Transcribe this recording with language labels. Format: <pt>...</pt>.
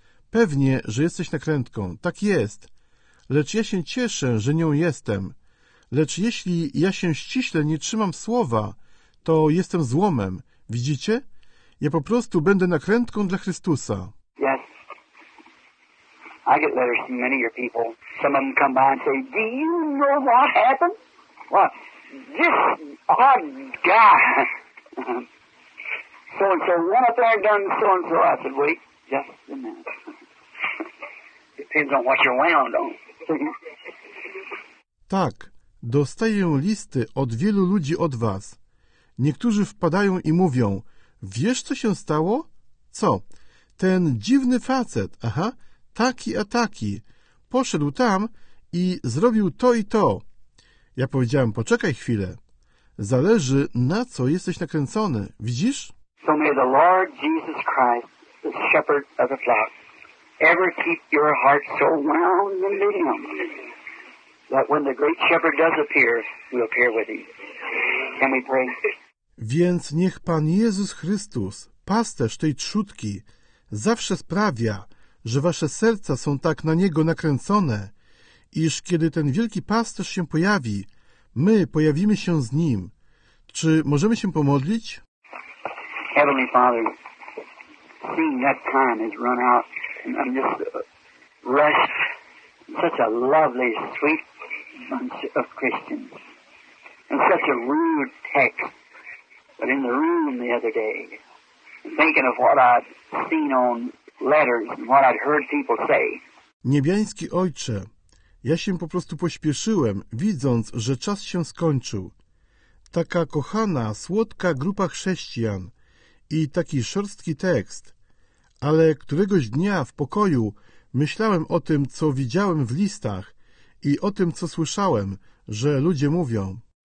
<pl>Pewnie, że jesteś nakrętką. Tak jest. Lecz ja się cieszę, że nią jestem. Lecz jeśli ja się ściśle nie trzymam słowa, to jestem złomem. Widzicie? Ja po prostu będę nakrętką dla Chrystusa.</pl> <en>Yes. I get letters from many of your people. Some of them come by and say, do you know what happened? Well, this odd guy. So and so, one up there done so and so. I said, wait, just a minute. Depends on what you're wound on.</en> <pl>Tak, dostaję listy od wielu ludzi od was. Niektórzy wpadają i mówią, wiesz, co się stało? Co? Ten dziwny facet, aha, taki a taki, poszedł tam i zrobił to i to. Ja powiedziałem, poczekaj chwilę. Zależy, na co jesteś nakręcony, widzisz?</pl> <en>So may the Lord Jesus Christ, the shepherd of the flock, ever keep your heart so wound in him that when the great shepherd does appear, we'll appear with him. Can we pray?</en> <pl>Więc niech Pan Jezus Chrystus, pasterz tej trzutki, zawsze sprawia, że wasze serca są tak na niego nakręcone, iż kiedy ten wielki pasterz się pojawi, my pojawimy się z nim. Czy możemy się pomodlić?</pl> <en>Heavenly Father, seeing that time has run out, and I'm just rushed. Such a lovely, sweet bunch of Christians. And such a rude text. But in the room the other day, thinking of what I'd seen on letters and what I'd heard people say.</en> <pl>Niebiański Ojcze, ja się po prostu pośpieszyłem, widząc, że czas się skończył. Taka kochana, słodka grupa chrześcijan i taki szorstki tekst. Ale któregoś dnia w pokoju myślałem o tym, co widziałem w listach i o tym, co słyszałem, że ludzie mówią.</pl>